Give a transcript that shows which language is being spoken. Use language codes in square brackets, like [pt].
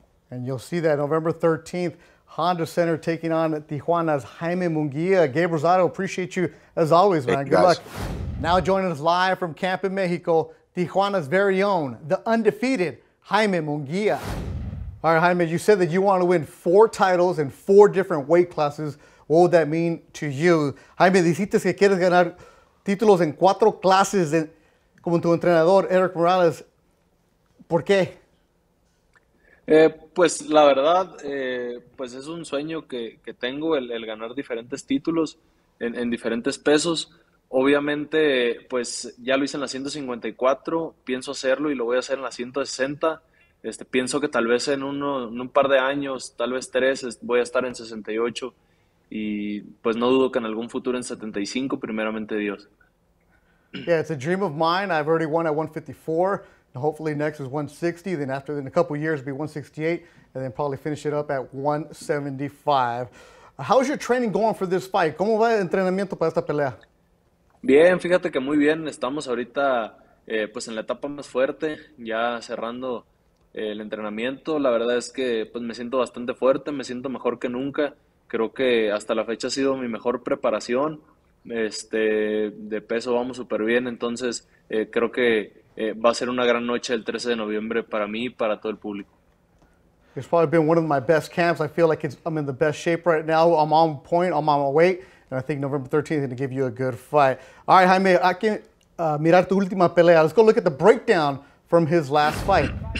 [en] And you'll see that November 13th. Honda Center taking on Tijuana's Jaime Munguia. Gabe Rosado, appreciate you as always, man. Good luck. Now joining us live from camp in Mexico, Tijuana's very own, the undefeated Jaime Munguia. All right, Jaime, you said that you want to win 4 titles in 4 different weight classes. What would that mean to you? [es] Jaime, dijiste que quieres ganar títulos en 4 clases como tu entrenador, Eric Morales. ¿Por qué? Pues la verdad, pues es un sueño que tengo el ganar diferentes títulos en diferentes pesos. Obviamente, pues ya lo hice en la 154, pienso hacerlo y lo voy a hacer en la 160. Pienso que tal vez en un par de años, tal vez 3, voy a estar en 68. Y pues no dudo que en algún futuro en 75, primeramente Dios. [en] Yeah, it's a dream of mine. I've already won at 154. Hopefully next is 160, then after in a couple of years be 168, and then probably finish it up at 175. How's your training going for this fight? [es] ¿Cómo va el entrenamiento para esta pelea? Bien, fíjate que muy bien. Estamos ahorita pues en la etapa más fuerte, ya cerrando el entrenamiento. La verdad es que pues me siento bastante fuerte, me siento mejor que nunca. Creo que hasta la fecha ha sido mi mejor preparación. De peso vamos súper bien, entonces creo que va a ser una gran noche el 13 de noviembre para mí y para todo el público. [en] It's probably been one of my best camps. I feel like I'm in the best shape right now. I'm on point, I'm on my weight, and I think November 13th is going to give you a good fight. All right, Jaime, I can [es] mirar tu última pelea. [en] Let's go look at the breakdown from his last fight.